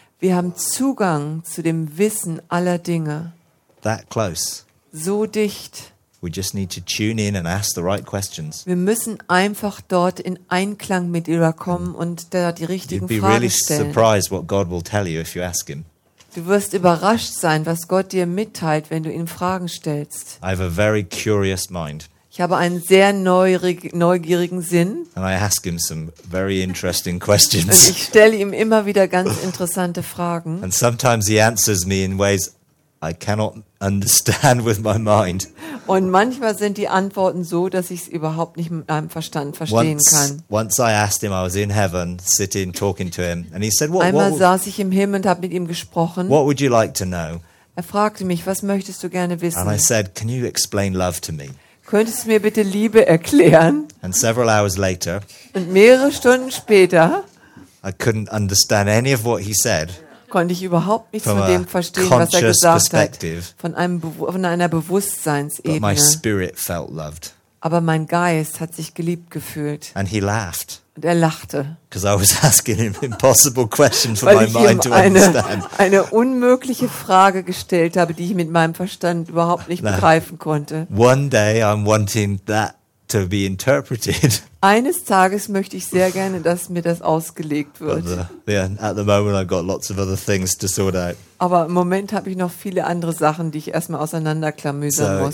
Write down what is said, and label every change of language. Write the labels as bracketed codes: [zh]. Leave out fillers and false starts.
[de] Wir haben Zugang zu dem Wissen aller Dinge. [en] That close. [de] So dicht. [en] We just need to tune in and ask the right questions. [de] Wir müssen einfach dort in Einklang mit ihr kommen und da die richtigen Fragen [en] really [de] stellen. [en] Surprised what God will tell you if you ask him. [de] Du wirst überrascht sein, was Gott dir mitteilt, wenn du ihm Fragen stellst. [en] I have a very curious mind. [de] Ich habe einen sehr neugierigen Sinn. [en] And I ask him some very interesting questions. [de] Und ich stelle ihm immer wieder ganz interessante Fragen. [en] And sometimes he answers me in ways I cannot understand with my mind. [de] Und manchmal sind die Antworten so, dass ich es überhaupt nicht mit meinem Verstand verstehen kann. [en] Once I asked him, I was in heaven, sitting, talking to him, and he said, [de] Einmal saß ich im Himmel und habe mit ihm gesprochen. [en] What would you like to know? [de] Er fragte mich, was möchtest du gerne wissen? [en] And I said, can you explain love to me? [de] Könntest du mir bitte Liebe erklären? [en] And several hours later, [de] und mehrere Stunden später, [en] I couldn't understand any of what he said. [de] Konnte ich überhaupt nichts von dem verstehen, was er gesagt hat. Von einer Bewusstseinsebene. [en] But my spirit felt loved. [de] Aber mein Geist hat sich geliebt gefühlt. [en] And he laughed. [de] Und er lachte. [en] Because I was asking him impossible questions for [de] weil [en] my mind to understand. [de] Eine unmögliche Frage gestellt habe, die ich mit meinem Verstand überhaupt nicht begreifen konnte. [en] One day I'm wanting that to be interpreted. [de] Eines Tages möchte ich sehr gerne, dass mir das ausgelegt wird. [en] At the moment I've got lots of other things to sort out. [de] Aber im Moment habe ich noch viele andere Sachen, die ich erstmal auseinanderklamüsern muss.